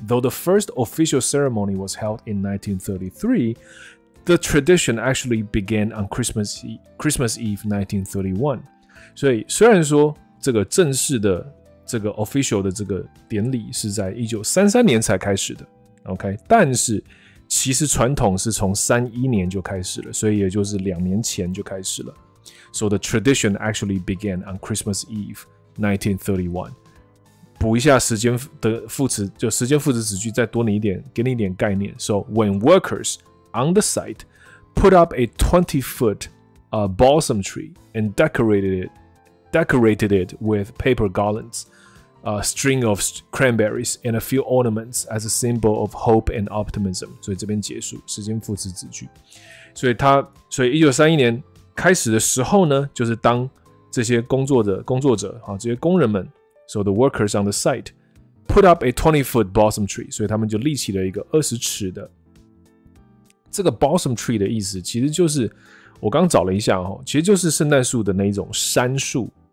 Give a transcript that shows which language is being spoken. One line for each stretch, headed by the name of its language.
English: Though the first official ceremony was held in 1933, the tradition actually began on Christmas Eve 1931.
Chinese: 所以虽然说这个正式的这个 official 的这个典礼是在1933年才开始的 ，OK， 但是其实传统是从31年就开始了，所以也就是两年前就开始了。
English: So the tradition actually began on Christmas Eve, 1931.
Chinese: 补一下时间的副词，就时间副词子句再多你一点，给你一点概念。
English: So when workers on the site put up a 20-foot balsam tree and decorated it with paper garlands, a string of cranberries and a few ornaments as a symbol of hope and optimism.
Chinese: 所以这边结束，时间副词子句。所以1931年开始的时候呢，就是当这些工作者啊，这些工人们 ，
English: so the workers on the site put up a 20-foot balsam tree.
Chinese: 所以他们就立起了一个20尺的这个 balsam tree 的意思，其实就是我刚找了一下哈，其实就是圣诞树的那一种杉树。